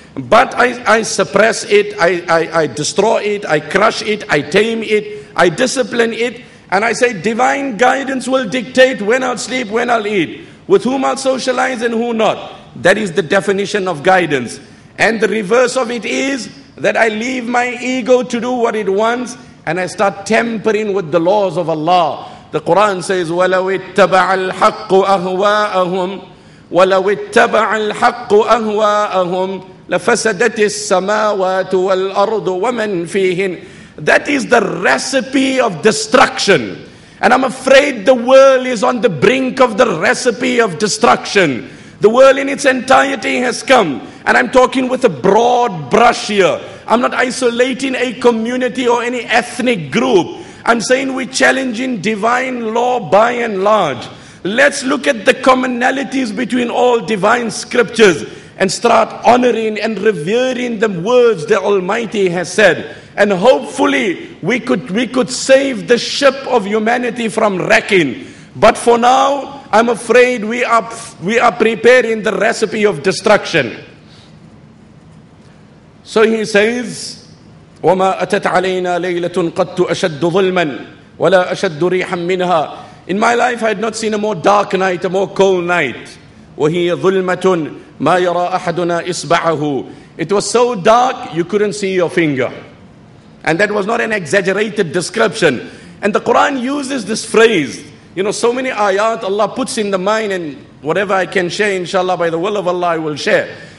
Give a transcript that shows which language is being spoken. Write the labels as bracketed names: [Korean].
[English] But I suppress it, I destroy it, I crush it, I tame it, I discipline it, and I say divine guidance will dictate when I'll sleep, when I'll eat, with whom I'll socialize and who not. That is the definition of guidance. And the reverse of it is that I leave my ego to do what it wants and I start tempering with the laws of Allah. The Quran says, [Arabic] وَلَوِتَّبَعَ الْحَقُّ أَهْوَاءَهُمْ وَلَوِتَّبَعَ الْحَقُّ أَهْوَاءَهُمْ لَفَسَدَتِ السَّمَاوَاتُ وَالْأَرْضُ وَمَنْ فِيهِنْ. [English] That is the recipe of destruction. And I'm afraid the world is on the brink of the recipe of destruction. The world in its entirety has come. And I'm talking with a broad brush here. I'm not isolating a community or any ethnic group. I'm saying we're challenging divine law by and large. Let's look at the commonalities between all divine scriptures and start honoring and revering the words the Almighty has said. And hopefully we could save the ship of humanity from wrecking. But for now, I'm afraid we are preparing the recipe of destruction. So he says, [Arabic] وَمَا أَتَتْ عَلَيْنَا لَيْلَةٌ قَدْتُ أَشَدُّ ظُلْمًا وَلَا أَشَدُّ رِيحًا مِّنْهَا. [English] In my life, I had not seen a more dark night, a more cold night. [Arabic] وَهِيَ ظُلْمَةٌ مَا يَرَى أَحَدُنَا إِصْبَعَهُ. [English] It was so dark, you couldn't see your finger. And that was not an exaggerated description. And the Quran uses this phrase. You know, so many ayat Allah puts in the mind, and whatever I can share, inshallah, by the will of Allah, I will share.